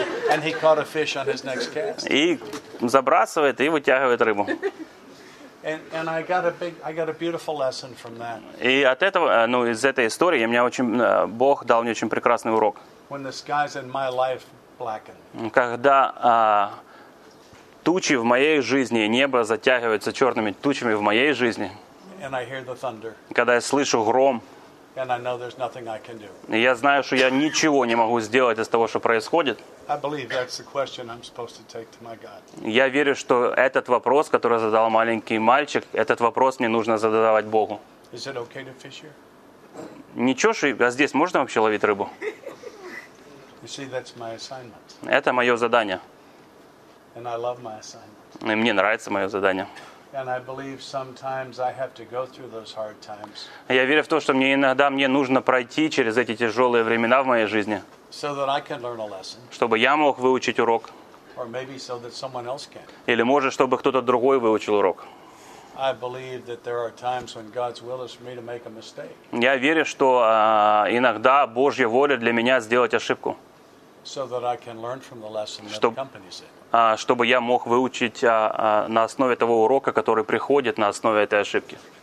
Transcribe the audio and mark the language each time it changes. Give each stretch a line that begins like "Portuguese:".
English: And he caught a fish on his next cast.
Russian: И забрасывает и вытягивает рыбу.
English: And I got a beautiful lesson from that.
Russian: И от этого, ну из этой истории, у меня очень Бог дал мне очень прекрасный урок.
English: When the skies in my life blacken.
Russian: Когда тучи в моей жизни, небо затягивается черными тучами в моей жизни.
English: And I hear the thunder.
Russian: Когда я слышу гром,
English: And I know there's nothing I can do.
Russian: Я знаю, что я ничего не могу сделать из того, что происходит.
English: I believe that's the question I'm supposed to take to my God.
Russian: Я верю, что этот вопрос, который задал маленький мальчик, этот вопрос мне нужно задавать Богу.
English: Is it okay to fish here?
Russian: Ничего, что а здесь можно вообще ловить рыбу?
English: You see, that's my assignment.
Russian: Это мое задание.
English: And I love my assignment.
Russian: И мне нравится мое задание.
English: And I believe sometimes I have to go through those hard times.
Russian: Я верю в то, что мне иногда мне нужно пройти через эти тяжелые времена в моей жизни.
English: So that I can learn a lesson.
Russian: Чтобы я мог выучить урок.
English: Or maybe so that someone else can.
Russian: Или может, чтобы кто-то другой выучил урок.
English: I believe that there are times when God's will is for me to make a mistake.
Russian: Я верю, что иногда Божья воля для меня сделать ошибку.
English: So that I can learn from the lesson that accompanies it.
Russian: Чтобы я мог выучить на основе того урока, который приходит на основе этой ошибки.